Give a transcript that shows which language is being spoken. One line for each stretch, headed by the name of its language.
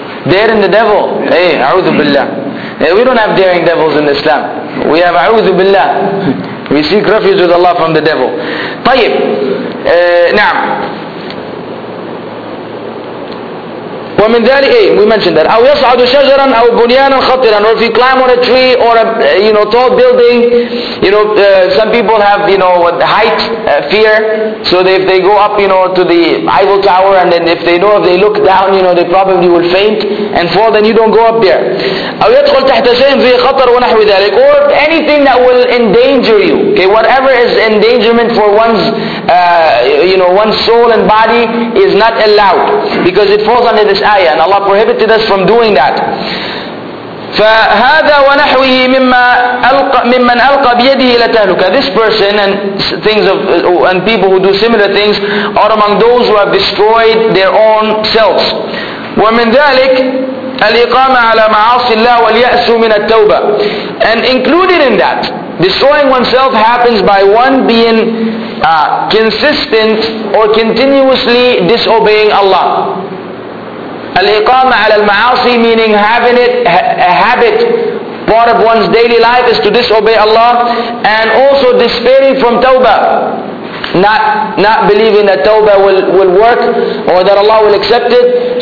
English: Daring the devil? Yeah. Hey,
Arabic: a'udhu billah.
English: Yeah, we don't have daring devils in Islam. We have
Arabic: a'udhu billah.
English: We seek refuge with Allah from the devil.
Arabic: Tayyib. نعم. ومن ذلك إيه؟
English: We mentioned that.
Arabic: أو يصعد شجرا أو بنيانا خطرا.
English: Or if you climb on a tree or a you know tall building, you know some people have, you know, what, height fear. So if they go up, you know, to the Eiffel Tower, and then if they know, if they look down, you know, they probably will faint and fall. Then you don't go up there.
Arabic: أو يدخل تحت شيء في خطر ونحو ذلك.
English: Or anything that will endanger you. Okay, whatever is endangerment for one's you know, one's soul and body is not allowed, because it falls under this ayah, and Allah prohibited us from doing that.
Arabic: فهذا ونحوه ممن ألقى بيده إلى تهلكة.
English: This person and things of and people who do similar things are among those who have destroyed their own selves.
Arabic: ومن ذلك الإقامة على معاصي الله واليأس من التوبة.
English: And included in that, destroying oneself happens by one being consistent or continuously disobeying Allah.
Arabic: الإقامة على المعاصي
English: meaning having it a habit, part of one's daily life is to disobey Allah, and also despairing from tawbah, not believing that tawbah will work or that Allah will accept it.